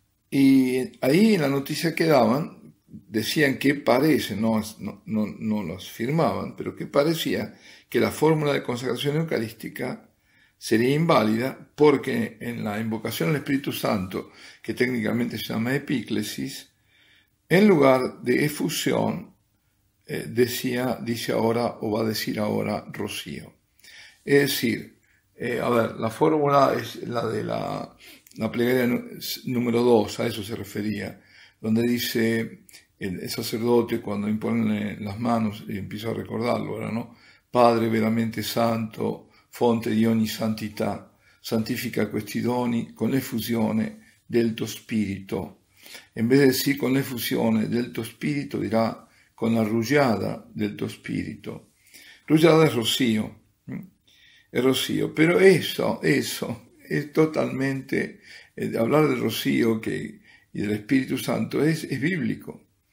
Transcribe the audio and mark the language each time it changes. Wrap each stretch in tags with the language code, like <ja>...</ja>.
<es>Y ahí en la noticia quedaban. Decían que parece, no los firmaban, pero que parecía que la fórmula de consagración eucarística sería inválida porque en la invocación al Espíritu Santo, que técnicamente se llama epíclesis, en lugar de efusión, dice ahora o va a decir ahora rocío. Es decir, a ver, la fórmula es la de la plegaria número 2, a eso se refería, donde dice. El sacerdote cuando impone las manos y empieza a recordarlo, ¿verdad? ¿No?</es> <it>Padre veramente santo, fonte di ogni santità, santifica questi doni con l'effusione del tuo spirito.</it> <es>En vez de decir</es> <it>con l'effusione del tuo spirito,</it> <es>dirá</es> <it>con la rugiada del tuo spirito.</it> <es>Rugiada es rocío, es rocío, pero eso es totalmente, hablar del rocío y del Espíritu Santo es bíblico.</es>